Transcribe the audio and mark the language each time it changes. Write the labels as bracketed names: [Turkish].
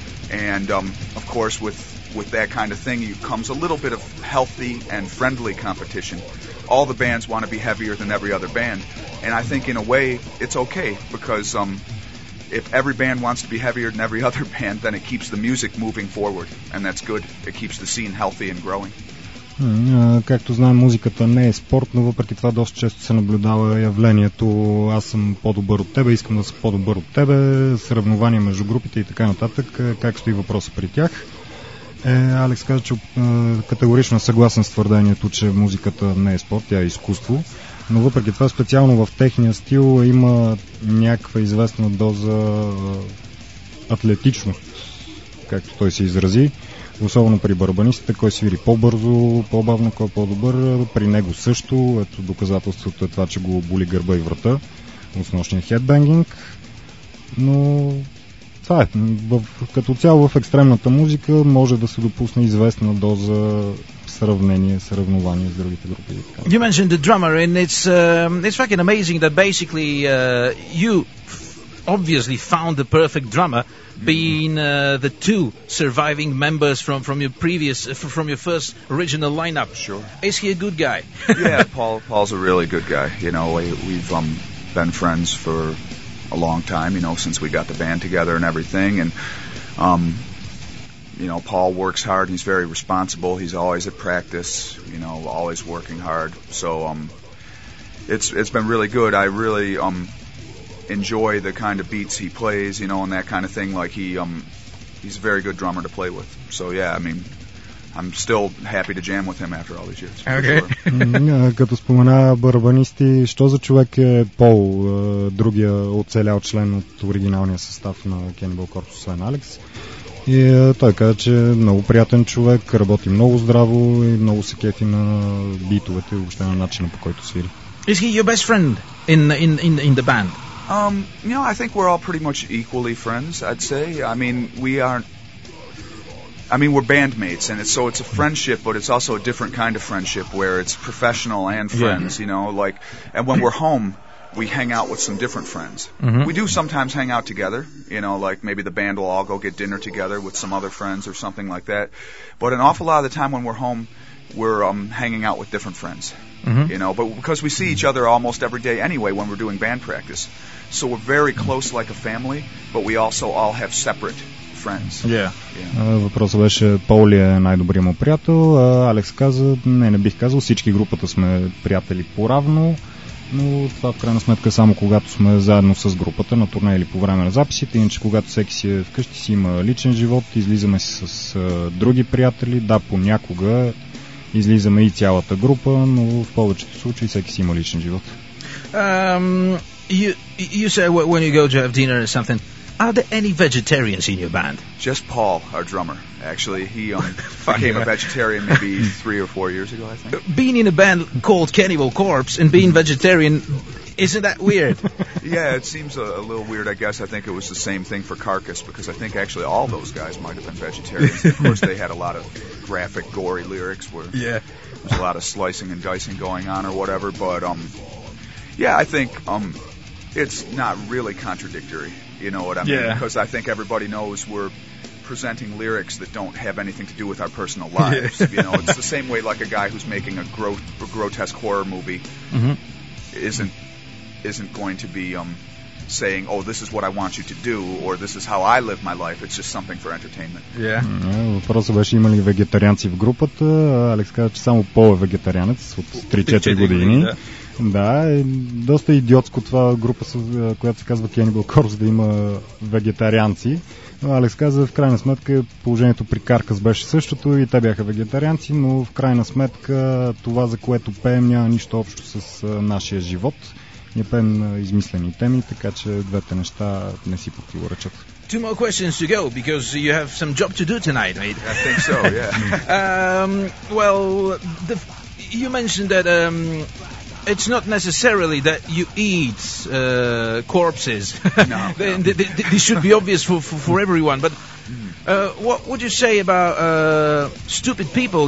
[English] And of course with that kind of thing, you comes a little bit of healthy and friendly competition. All the bands want to be heavier than every other band, and I think in a way it's okay, because if every band wants to be heavier than every other band, then it keeps the music moving forward, and that's good. It keeps the scene healthy and growing. [Bulgarian] Както знаем, музиката не е спорт, но въпреки това доста често се наблюдава явлението аз съм по-добър от тебе, искам да съм по-добър от тебе, съревнования между групите и така нататък. Как стои въпроса при тях? Алекс каза, че категорично съгласен с твърдението, че музиката не е спорт, тя е изкуство. Но въпреки това, специално в техния стил има някаква известна доза атлетичност, както той се изрази. Особено при барабанистите, кой свири по-бързо, по-бавно, кой е по-добър. При него също. Ето доказателството е това, че го боли гърба и врата от нощния хедбенгинг. Но това е. Като цяло в екстремната музика може да се допусне известна доза сравнение, съревнование с другите групи. [English] You mentioned the drummer, and it's fucking amazing that basically you obviously found the perfect drummer been the two surviving members from your first original lineup. Sure. Is he a good guy? Yeah, Paul's a really good guy. You know, we've been friends for a long time, you know, since we got the band together and everything. And, you know, Paul works hard. He's very responsible. He's always at practice, you know, always working hard. So it's been really good. I really enjoy the kind of beats he plays, you know, and that kind of thing. Like, he's a very good drummer to play with. So, yeah, I mean, I'm still happy to jam with him after all these years. Okay. [Bulgarian] Като спомена барабанисти, що за човек е Пол, другия оцелял член от оригиналния състав на Cannibal Corpse, освен Алекс? И той каза, че е много приятен човек, работи много здраво и много се кефи на битовете и въобще на начина, по който свири. [English] Is he your best friend in the band? You know, I think we're all pretty much equally friends, I'd say. I mean, we're bandmates, and it's a friendship, but it's also a different kind of friendship where it's professional and friends, yeah. You know, like, and when we're home, we hang out with some different friends. Mm-hmm. We do sometimes hang out together, you know, like maybe the band will all go get dinner together with some other friends or something like that. But an awful lot of the time when we're home, we're hanging out with different friends, mm-hmm. you know, but because we see each other almost every day anyway when we're doing band practice. So we're very close like a family, but we also all have separate friends. Yeah. [Bulgarian] Въпросът беше, Пол е най-добрия му приятел. Алекс каза, не бих казал, всички групата сме приятели по-равно. Но това в крайна сметка само когато сме заедно с групата на турне или по време на записите, иначе когато всеки си е вкъщи, си има личен живот, излизаме си с други приятели, да, понякога излизаме и цялата група, но в повечето случаи всеки си има личен живот. [English] You say when you go to have dinner or something, are there any vegetarians in your band? Just Paul, our drummer. Actually, he became a vegetarian maybe 3 or 4 years ago, I think. Being in a band called Cannibal Corpse and being vegetarian, isn't that weird? Yeah, it seems a little weird, I guess. I think it was the same thing for Carcass, because I think actually all those guys might have been vegetarians. Of course, they had a lot of graphic, gory lyrics where there's a lot of slicing and dicing going on or whatever. But, I think it's not really contradictory, you know what I mean? Yeah. Because I think everybody knows we're presenting lyrics that don't have anything to do with our personal lives. Yeah. You know, it's the same way like a guy who's making a grotesque horror movie isn't going to be saying, oh, this is what I want you to do, or this is how I live my life. It's just something for entertainment. Yeah. [Bulgarian] Въпросът беше, има ли вегетарианци в групата? Алекс каза, че само Пол е вегетарианец от 3-4 години. Да, е доста идиотско това група, която се казва Cannibal Corpse, да има вегетарианци. Но Алекс каза, в крайна сметка положението при Carcass беше същото и те бяха вегетарианци, но в крайна сметка това, за което пеем, няма нищо общо с нашия живот. Ние пеем измислени теми, така че двете неща не си противоречат. [English] Two more questions to go, because you have some job to do tonight, mate. I think so, yeah. You mentioned that it's not necessarily that you eat corpses. No. This should be obvious for everyone, but what would you say about stupid people?